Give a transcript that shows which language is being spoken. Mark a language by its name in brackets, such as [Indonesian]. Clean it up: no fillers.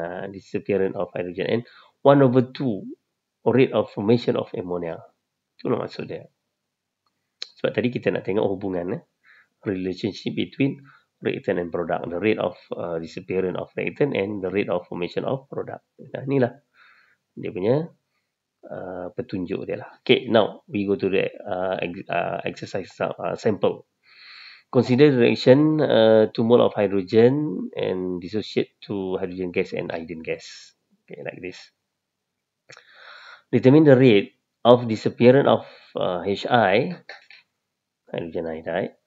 [English] Disappearance of hydrogen. And 1 over 2 rate of formation of ammonia. [Malay] Itulah maksud dia. Sebab tadi kita nak tengok hubungan. [English] Relationship between reactant and product. The rate of disappearance of reactant and the rate of formation of product. [Malay] Nah, inilah dia punya petunjuk dia lah. [English] Okay, now we go to the exercise sample. Consider the reaction 2 mole of hydrogen and dissociate to hydrogen gas and iodine gas. Okay, like this. Determine the rate of disappearance of HI, hydrogen iodide.